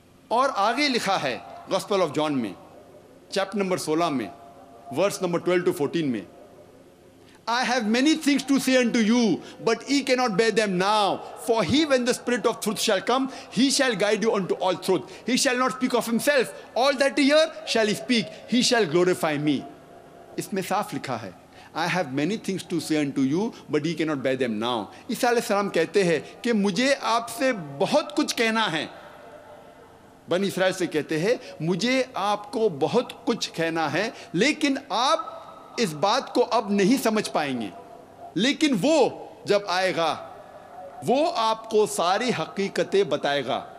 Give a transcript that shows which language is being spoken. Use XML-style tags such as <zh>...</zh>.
<hi>और आगे लिखा है गॉस्पल ऑफ जॉन में चैप्टर नंबर 16 में वर्स नंबर 12-14 में,</hi> <en>I have many things to say unto you but I can not bear them now, for he when the spirit of truth shall come he shall guide you unto all truth, he shall not speak of himself, all that he hear shall he speak, he shall glorify me.</en> <hi>इसमें साफ लिखा है</hi> <en>I have many things to say unto you, but he cannot bear them now.</en> <hi>ईसा अलैहि सलाम कहते हैं कि मुझे आपसे बहुत कुछ कहना है। बनी इसराइल से कहते हैं मुझे आपको बहुत कुछ कहना है लेकिन आप इस बात को अब नहीं समझ पाएंगे, लेकिन वो जब आएगा वो आपको सारी हकीकतें बताएगा।</hi>